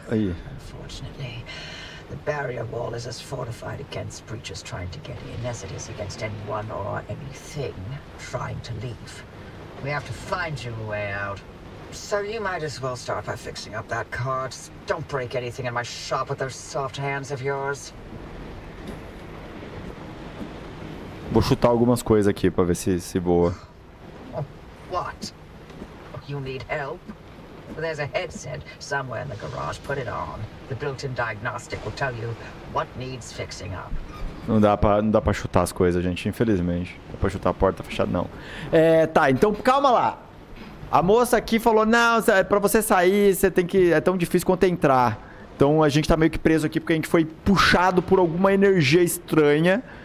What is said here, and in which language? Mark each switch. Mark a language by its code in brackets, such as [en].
[en] Unfortunately, the barrier wall is as fortified against breaches trying to get in as it is against anyone or anything trying to leave. We have to find you a way out. So you might as well start by fixing up that car. Just don't break anything in my shop with those soft hands of yours. [pt] Vou chutar algumas coisas aqui pra ver se boa. [en] What? You need help? There's a headset somewhere in the garage. Put it on. The built-in diagnostic will tell you what needs fixing up. [pt] Não dá pra chutar as coisas, gente, infelizmente. Dá pra chutar a porta fechada, não. É, tá, então calma lá. A moça aqui falou, não, pra você sair, você tem que... É tão difícil quanto entrar. Então a gente tá meio que preso aqui porque a gente foi puxado por alguma energia estranha.